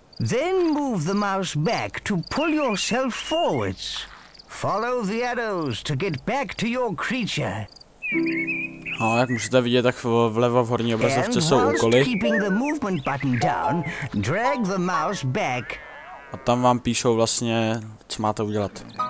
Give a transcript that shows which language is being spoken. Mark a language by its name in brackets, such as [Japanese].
[English] Then move the mouse back to pull yourself forwards. Follow the arrows to get back to your creature. [Czech] No, jak můžete vidět, tak vlevo v horní obrazovce jsou úkoly. [English] Keeping the movement button down, drag the mouse back. [Czech] A tam vám píšou vlastně, co máte udělat.